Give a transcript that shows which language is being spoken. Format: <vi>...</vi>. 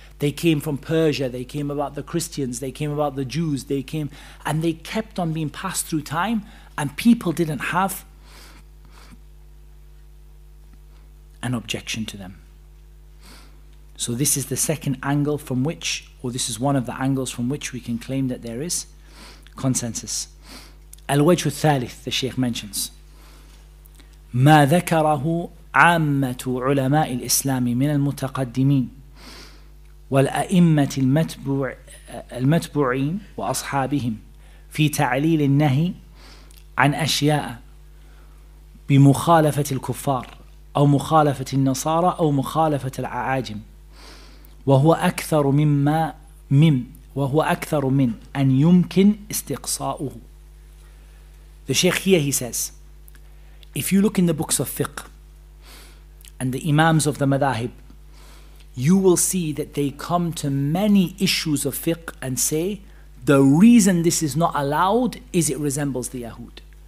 <en>They came from Persia, they came about the Christians, they came about the Jews, they came, and they kept on being passed through time, and people didn't have an objection to them. So this is the second angle from which, or this is one of the angles from which we can claim that there is consensus. Al-Wajh al-Thalith, the Shaykh mentions.</en> <ar>ما ذكره عامة علماء الإسلام من المتقدمين والأئمة المتبوعين وأصحابهم في تعليل النهي عن أشياء بمخالفة الكفار أو مخالفة النصارى أو مخالفة العاجم وهو أكثر من أن يمكن استقصاؤه.</ar> <en>The Shaykh here, he says, if you look in the books of fiqh and the imams of the madahib, you will see that they come to many issues of fiqh and say, the reason this is not allowed is it resembles the Yahud.</en>